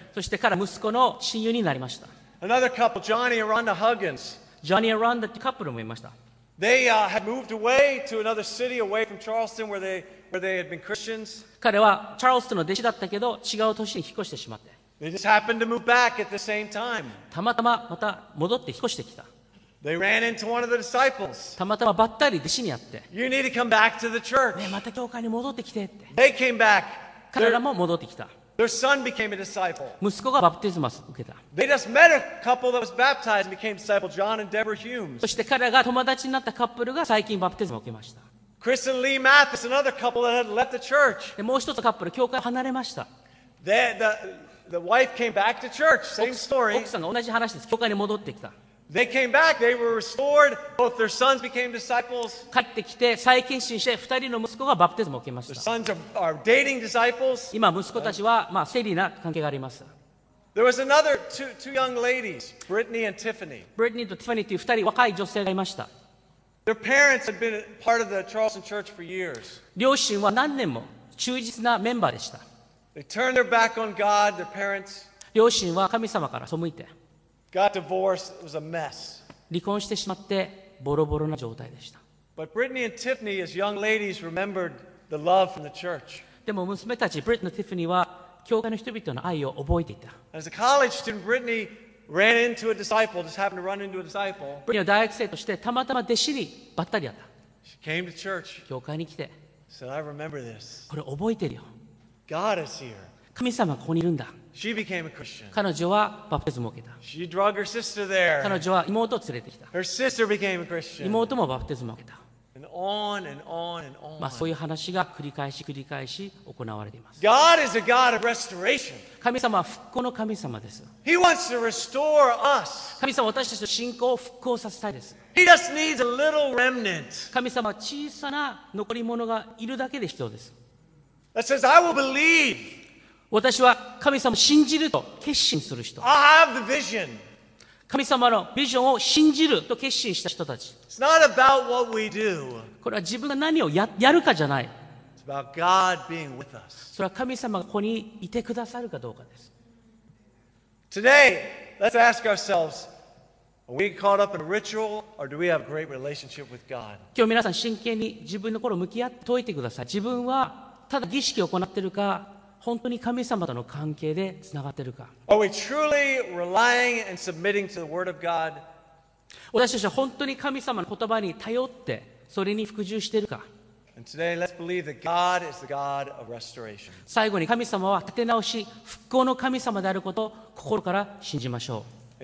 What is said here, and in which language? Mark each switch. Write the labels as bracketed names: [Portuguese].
[Japanese] そして彼は息子の親友になりました。 [English] Another couple, Johnny and Rhonda Huggins. [Japanese] Johnny and Rhonda ってカップルもいました。 [English] They had moved away to another city away from Charleston where they had been Christians. [Japanese] 彼はチャールストンの弟子だったけど、違う都市に引っ越してしまって。 [English] They just happened to move back at the same time. [Japanese] たまたままた戻って引っ越してきた。 [English] They ran into one of the disciples. [Japanese] たまたまばったり弟子に会って。 [English] You need to come back to the church. [Japanese] ね、また教会に戻ってきてって。 [English] They came back. [Japanese] 彼らも戻ってきた。 [English] Their son became a disciple. [Japanese] 息子がバプテスマを受けた。 [English] They just met a couple that was baptized and became disciples, John and Deborah Humes. [Japanese] そして彼らが友達になったカップルが最近バプテスマを受けました。 [English] Chris and Lee Mathis, another couple that had left the church. [Japanese] で、もう一つカップル、教会を離れました。 [English] The wife came back to church. Same story. [Japanese] 奥さんが同じ話です。教会に戻ってきた。 [English] They came back. They were restored. Both their sons became disciples. [Japanese] 帰ってきて再献身して二人の息子がバプテスマを受けました。 [English] Their sons are dating disciples. [Japanese] 今息子たちはまあセリーな関係があります。 [English] There was another two young ladies, Brittany and Tiffany. [Japanese] Brittany とティファニーという二人若い女性がいました。 [English] Their parents had been part of the Charleston church for years. [Japanese] 両親は何年も忠実なメンバーでした。 [English] They turned their back on God, their parents. [Japanese] 両親は神様から背いて。 [English] Got divorced. It was a mess. [Japanese] 離婚してしまってボロボロな状態でした。 [English] But Brittany and Tiffany, as young ladies, remembered the love from the church. [Japanese] でも娘たち、Brittany and Tiffany は教会の人々の愛を覚えていた。 [English] As a college student, Brittany ran into a disciple. Just happened to run into a disciple. [Japanese] Brittany は大学生としてたまたま弟子にばったり会った。 [English] She came to church. [Japanese] 教会に来て。 [English] Said, I remember this. [Japanese] これ覚えてるよ。 [English] God is here. [Japanese] 神様はここにいるんだ。 [English] She became a Christian. [Japanese] 彼女はバプテスマを受けた。 [English] She drug her sister there. [Japanese] 彼女は妹を連れてきた。 [English] Her sister became a Christian. [Japanese] 妹もバプテスマを受けた。まあ、そういう話が繰り返し繰り返し行われています。 [English] God is a God of restoration. [Japanese] 神様は復興の神様です。 [English] He wants to restore us. [Japanese] 神様は私たちの信仰を復興させたいです。 [English] He just needs a little remnant. [Japanese] 神様は小さな残り物がいるだけで必要です。 [English] That says, I will believe. [Japanese] 私は神様を信じると決心する人。 [English] I have the vision. [Japanese] 神様のビジョンを信じると決心した人たち。 [English] It's not about what we do. [Japanese] これは自分が何を やるかじゃない。 [English] It's about God being with us. [Japanese] それは神様がここにいてくださるかどうかです。 [English] Today, let's ask ourselves, are we caught up in a ritual or do we have a great relationship with God? [Japanese] 今日皆さん真剣に自分の心を向き合って問いてください。自分はただ儀式を行っているか、本当に神様との関係でつながっているか。 [English] Are we truly relying and submitting to the word of God? [Japanese] 私たちは本当に神様の言葉に頼ってそれに服従しているか。 [English] And today, let's believe that God is the God of restoration. [Japanese] 最後に神様は立て直し復興の神様であることを心から信じましょう。